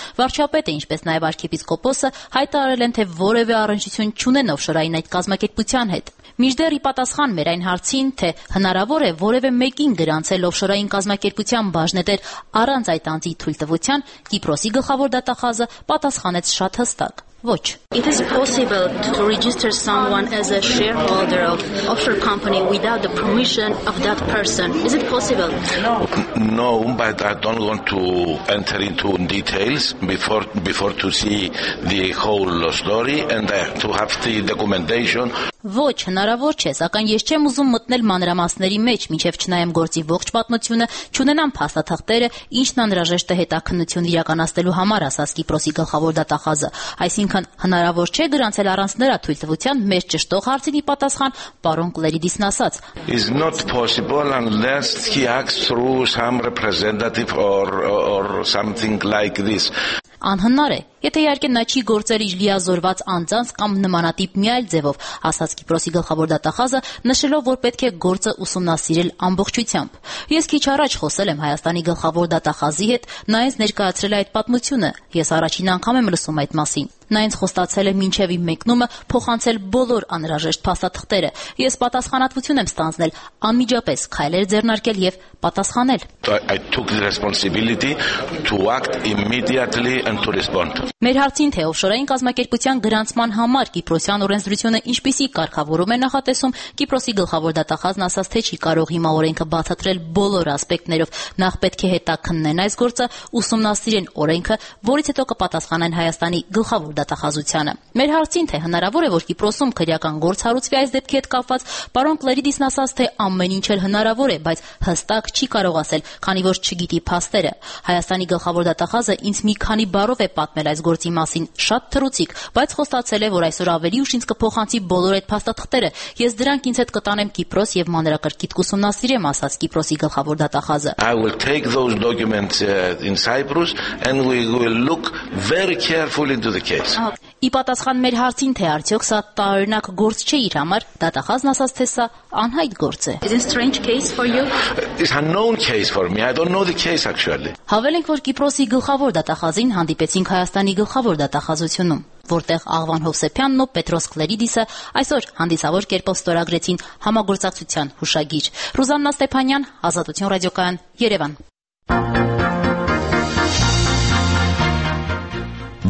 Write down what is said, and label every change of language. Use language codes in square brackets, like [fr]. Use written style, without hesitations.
[hy] Վարչապետը, ինչպես նաև արքեպիսկոպոսը, հայտարարել են, թե որևէ առնչություն չունեն օֆշորային այդ կազմակերպության հետ։ Միջդեռ ի պատասխան մեր այն հարցին, թե հնարավոր է որևէ մեկին գրանցել օֆշորային կազմակերպության բաժնետեր առանց այդ անձի թույլ տվության, Կիպրոսի գլխավոր դատախազը պատասխանեց շատ հստակ. Ոչ. [en] It is possible to register someone as a shareholder of offshore company without the permission of that person. Is it possible? No. No, but I don't want to enter into details before to see the whole story and to have the documentation. [hy] Ոչ, հնարավոր չէ, սակայն ես չեմ ուզում մտնել մանրամասների մեջ, մինչև չնայեմ գործի ողջ պատմությունը, չունենամ փաստաթղթերը, ինչն անհրաժեշտ է հետաքննություն իրականացնելու համար, ասաց Կիպրոսի գլխավոր դատախազը։ Այսինքն, հնարավոր չէ գրանցել առանց նրա թույլ տվության, մեր ճշտող հարցին ի պատասխան պարոն Կլերիդիսն ասաց. [en] Is not possible unless he acts through some representative or something like this. [hy] Անհնար է, եթե իհարկե նա չի գործել իր լիազորված անձանց կամ նմանատիպ մի այլ ձևով, ասաց Կիպրոսի գլխավոր դատախազը, նշելով, որ պետք է գործը ուսումնասիրել ամբողջությամբ։ Ես քիչ առաջ խոսել եմ Հայաստանի գլխավոր դատախազի հետ, նա ինձ ներկայացրել է այդ պատմությունը, ես առաջին անգամ եմ լսում այդ մասին։ Նա ինձ խոստացել է մինչև իմ մեկնումը փոխանցել բոլոր անհրաժեշտ փաստաթղթերը։ Ես պատասխանատվություն եմ ստանձնել, անմիջապես քայլեր ձեռնարկել եւ պատասխանել։ [en] I took the responsibility to act immediately and to respond. [hy] Մեր հարցին, թե օֆշորային կազմակերպության գրանցման համար Կիպրոսյան օրենսդրությունը ինչպիսի կարգավորում է նախատեսում, Կիպրոսի գլխավոր դատախազն ասաց, թե չի կարող հիմա օրենքը բացատրել բոլոր ասպեկտներով, նախ պետք է հետաքննեն այս գործը, ուսումնասիրեն օրենքը, որից հետո կպատասխանեն Հայաստանի գլխավոր դատախազությանը։ Մեր հարցին, թե հնարավոր է, որ Կիպրոսում քրեական գործ հարուցվի այս դեպքի հետ կապված, պարոն Կլերիդիսն ասաց, թե ամեն ինչ էլ հնարավոր է, բայց հստակ չի կարող ասել, քանի որ չգիտի փաստերը։ Հայաստանի գլխավոր դատախազը ինձ մի քանի բառով է պատմել այս գործի մասին, շատ թրուցիկ, բայց խոստացել է, որ այսօր ավելի ուշ ինձ կփոխանցի բոլոր այդ փաստաթղթերը։ Ես դրանք ինձ հետ կտանեմ Կիպրոս եւ մանրակրկիտ կուսումնասիրեմ, ասաց Կիպրոսի գլխավոր դատախազը։ [en] I will take those documents in Cyprus and we will look very carefully into the case. [hy] Ի պատասխան մեր հարցին, թե արդյոք սա տարօրինակ գործ չէ իր համար, դատախազն ասաց, թե սա անհայտ գործ է։ [en] It is a strange case for you? It's an unknown case for me. I don't know the case actually. [hy] Հավելենք, որ Կիպրոսի գլխավոր դատախազին հանդիպեցին Հայաստանի գլխավոր դատախազությունում, որտեղ Աղվան Հովսեփյանն ու Պետրոս Կլերիդիսը այսօր հանդիսավոր կերպով ստորագրեցին համագործակցության հուշագիր։ Ռուզաննա Ստեփանյան, Ազատություն ռադիոկայան, Երևան։